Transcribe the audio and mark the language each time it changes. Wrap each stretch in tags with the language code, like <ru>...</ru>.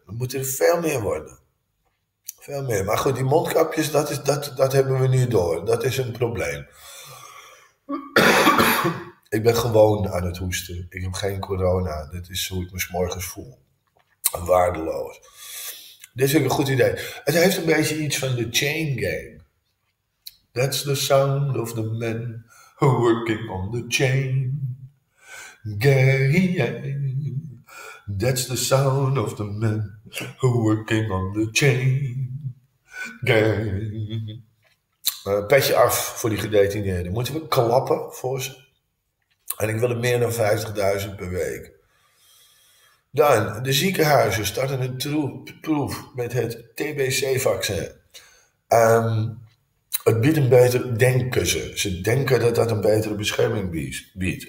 <nl>Dan moet er veel meer worden. Veel meer. Maar goed, die mondkapjes, dat hebben we nu door. Dat is een probleem. Ik ben gewoon aan het hoesten. Ik heb geen corona. Dit is hoe ik me 's morgens voel. Waardeloos. Dit is ook een goed idee. Het heeft een beetje iets van de Chain Gang.</nl> <en>That's the sound of the men working on the chain gang. That's the sound of the men working on the chain gang.</en> <nl>Petje af voor die gedetineerden. Moeten we klappen voor ze? En ik wil er meer dan 50.000 per week. Dan, de ziekenhuizen starten een proef met het TBC-vaccin. Het biedt een beter, denken ze. Ze denken dat dat een betere bescherming biedt.</nl>